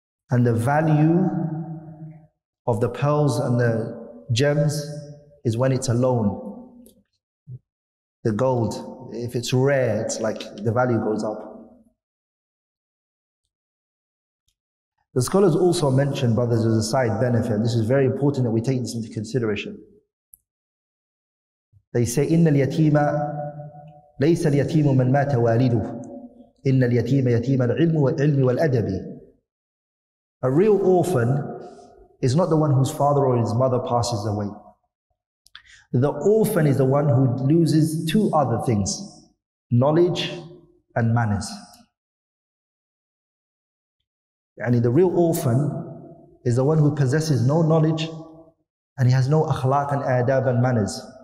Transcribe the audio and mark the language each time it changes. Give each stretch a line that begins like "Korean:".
English: And the value of the pearls and the gems is when it's alone. The gold, if it's rare, it's like the value goes up. The scholars also mentioned, brothers, as a side benefit. This is very important that we take this into consideration. They say,
Arabic: إِنَّ الْيَتِيمَ لَيْسَ الْيَتِيمُ مَنْ مَاتَ وَالِدُهُ إِنَّ الْيَتِيمَ يَتِيمَ الْعِلْمِ وَالْأَدَبِ.
English: A real orphan is not the one whose father or his mother passes away. The orphan is the one who loses two other things, knowledge and manners. And the real orphan is the one who possesses no knowledge and he has no akhlaq and adab and manners.